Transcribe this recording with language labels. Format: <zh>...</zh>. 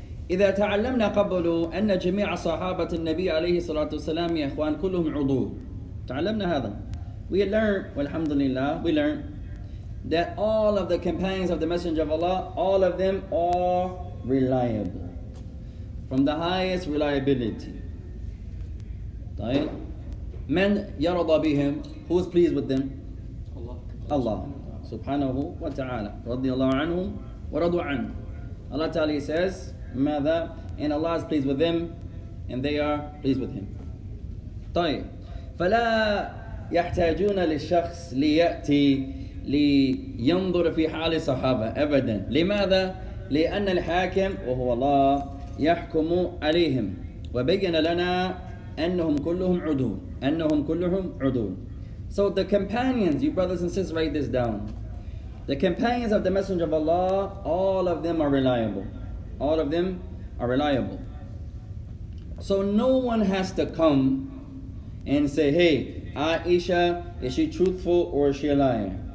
<ar>إذا تعلمنا قبل أن جميع صحابة النبي عليه الصلاة والسلام يا إخوان كلهم عضو. تعلمنا هذا.</ar> <en>We learn,</en> <ar>والحمد لله,</ar> <en>we learn that all of the companions of the Messenger of Allah, all of them are reliable. From the highest reliability.</en> <ar>طيب. من يرضى بهم,</ar> <en>who is pleased with them? Allah.</en> <ar>Allah subhanahu wa ta'ala. رضي الله عنهم ورضوا عنه.</ar> <en>Allah ta'ala says,</en> <ar>ماذا?</ar> <en>And Allah is pleased with them, and they are pleased with him.</en> <ar>طيب. فلا يحتاجون للشخص ليأتي لينظر في حال الصحابة أبدا. لماذا؟ لأن الحاكم وهو الله يحكم عليهم. وبين لنا أنهم كلهم عدول. أنهم كلهم عدول.</ar> <en>So the companions, you brothers and sisters, write this down. The companions of the Messenger of Allah, all of them are reliable. All of them are reliable. So no one has to come and say, hey, Aisha, is she truthful or is she a liar?</en>